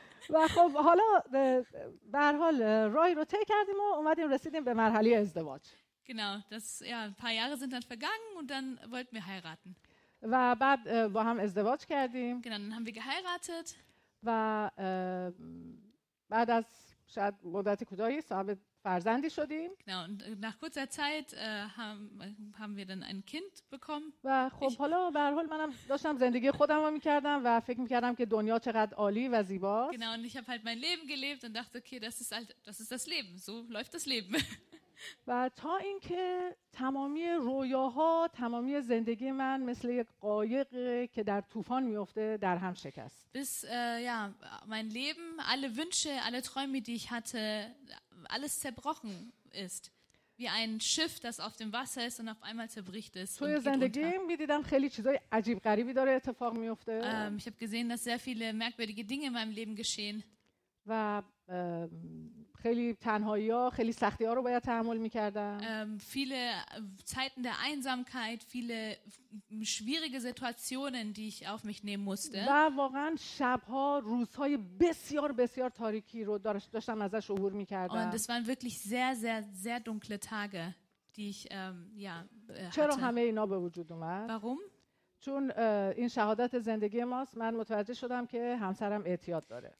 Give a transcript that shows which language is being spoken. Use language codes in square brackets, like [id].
[fa] و خب حالا به هر حال راهی رو طی کردیم و اومدیم رسیدیم به مرحله ازدواج. [de] Genau, das ja, ein paar Jahre sind dann vergangen und dann wollten wir heiraten. [fa] و بعد با هم ازدواج کردیم. [de] Genau, dann haben wir geheiratet. [fa] و بعد از شاید مدت کوتاهی صاحب فرزندی شدیم. [de] Genau, und nach kurzer Zeit haben wir dann ein Kind bekommen. [fa] و خب حالا به هر حال منم داشتم زندگی خودم رو می‌کردم و فکر می‌کردم که دنیا چقدر عالی و زیباست. [de] Genau, und ich habe halt mein Leben gelebt und dachte, okay, das ist das Leben, so läuft das Leben. [fa] و تا اینکه تمامی رویاها، تمامی زندگی من مثل یک قایق که در طوفان میفته در هم شکست. [de] Bis ja, mein Leben, alle Wünsche, alle Träume, die ich hatte, alles zerbrochen ist. Wie ein Schiff, das auf dem Wasser ist und auf einmal zerbricht es. [fa] توی زندگی می‌دیدم خیلی چیزای عجیب غریبی داره اتفاق میفته. [de] Ich habe gesehen, dass sehr viele merkwürdige Dinge in meinem Leben geschehen. [fa] و خیلی تنهایی ها، خیلی سختی ها رو باید تحمل میکردم. [de] Viele Zeiten der Einsamkeit, viele schwierige Situationen, die ich auf mich nehmen musste. [fa] و واقعا شبها، روزهای بسیار بسیار تاریکی رو داشتم ازش عبور میکردم. [de] Und es waren wirklich sehr, sehr, sehr dunkle Tage, die ich ja, hatte. [fa] چرا همه اینا به وجود اومد؟ [de] Warum? [fa] چون این شهادت زندگی ماست، من متوجه شدم که همسرم اعتیاد داره.